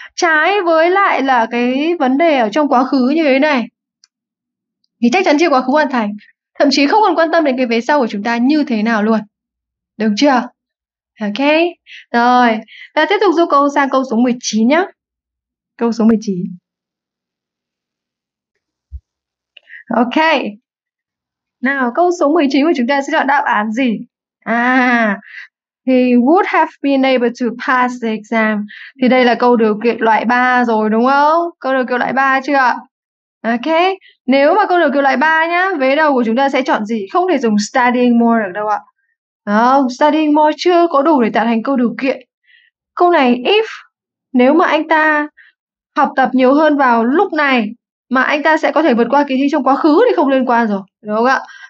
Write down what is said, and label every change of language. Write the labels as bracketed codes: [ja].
[vi] Trái với lại là cái vấn đề ở trong quá khứ như thế này thì chắc chắn chưa quá khứ hoàn thành, thậm chí không còn quan tâm đến cái về sau của chúng ta như thế nào luôn, được chưa? Ok, rồi. Ta tiếp tục giúp cô sang câu số 19 nhé. Câu số 19. Ok. Nào, câu số 19 của chúng ta sẽ chọn đáp án gì? [en] À, he would have been able to pass the exam. [vi] Thì đây là câu điều kiện loại 3 rồi, đúng không? Câu điều kiện loại 3 chưa ạ? Ok, nếu mà câu điều kiện loại 3 nhá, vế đầu của chúng ta sẽ chọn gì? Không thể dùng studying more được đâu ạ. Không, studying more chưa có đủ để tạo thành câu điều kiện. Câu này, if, nếu mà anh ta học tập nhiều hơn vào lúc này, mà anh ta sẽ có thể vượt qua kỳ thi trong quá khứ thì không liên quan rồi, đúng không ạ?